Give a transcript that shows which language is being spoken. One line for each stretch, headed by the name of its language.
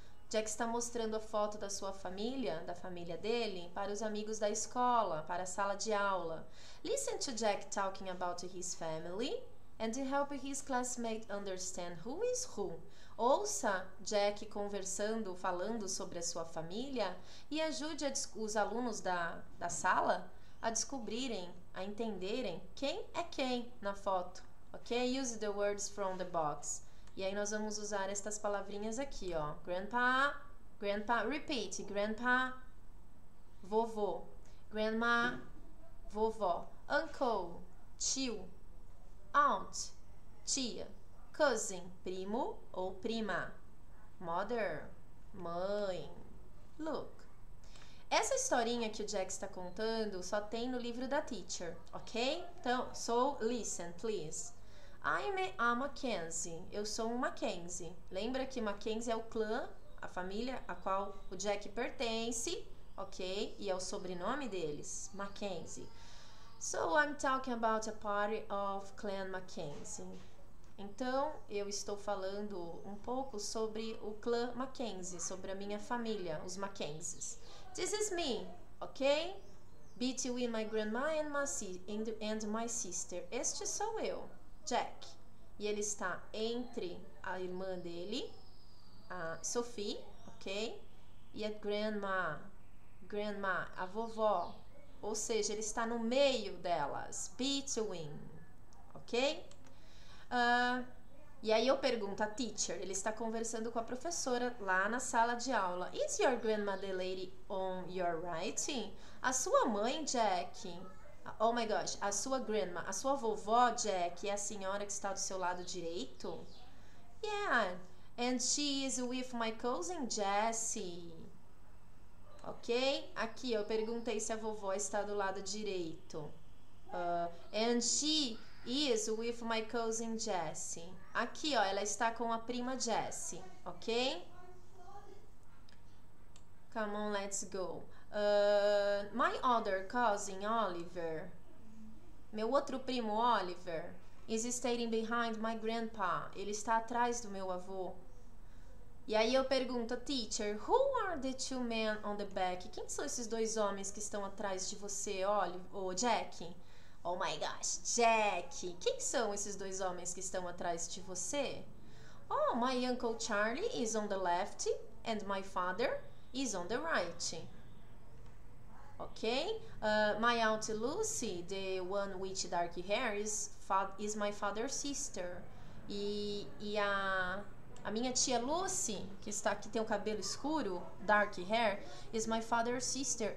Portuguese: Jack está mostrando a foto da sua família, da família dele, para os amigos da escola, para a sala de aula.
English: Listen to Jack talking about his family and help his classmate understand who is who.
Portuguese: Ouça Jack conversando, falando sobre a sua família e ajude os alunos da sala a descobrirem, a entenderem quem é quem na foto, ok?
English: Use the words from the box.
Portuguese: E aí nós vamos usar estas palavrinhas aqui, ó.
English: Grandpa, grandpa, repeat. Grandpa, vovô. Grandma, vovó. Uncle, tio.
Portuguese: Aunt, tia. Cousin, primo ou prima.
English: Mother, mãe. Look.
Portuguese: Essa historinha que o Jack está contando só tem no livro da teacher, ok?
English: Então, so listen, please. I'm a Mackenzie.
Portuguese: Eu sou um Mackenzie. Lembra que Mackenzie é o clã, a família a qual o Jack pertence, ok? E é o sobrenome deles, Mackenzie.
English: So I'm talking about a party of Clan Mackenzie.
Portuguese: Então, eu estou falando um pouco sobre o clã Mackenzie, sobre a minha família, os Mackenzies.
English: This is me, ok? Between my grandma and my sister.
Portuguese: Este sou eu, Jack. E ele está entre a irmã dele, a Sophie, ok? E a grandma, a vovó. Ou seja, ele está no meio delas. Between, ok? E aí eu pergunto à teacher, ele está conversando com a professora lá na sala de aula.
English: Is your grandma the lady on your writing?
Portuguese: A sua mãe, Jack?
English: Oh my gosh,
Portuguese: a sua grandma, a sua vovó, Jack, é a senhora que está do seu lado direito?
English: Yeah, and she is with my cousin Jessie. Ok?
Portuguese: Aqui eu perguntei se a vovó está do lado direito.
English: And she is with my cousin Jessie.
Portuguese: Aqui, ó, ela está com a prima Jessie, ok?
English: Come on, let's go. My other cousin Oliver.
Portuguese: Meu outro primo
English: Oliver is staying behind my grandpa.
Portuguese: Ele está atrás do meu avô. E aí eu pergunto,
English: teacher, who are the two men on the back?
Portuguese: Quem são esses dois homens que estão atrás de você, Oliver, ou Jack?
English: Oh my gosh,
Portuguese: Jack! Quem são esses dois homens que estão atrás de você?
English: Oh, my uncle Charlie is on the left and my father is on the right. Okay? My aunt Lucy, the one with dark hair, is my father's sister.
Portuguese: E a minha tia Lucy, que está aqui, tem o cabelo escuro,
English: dark hair, is my father's sister.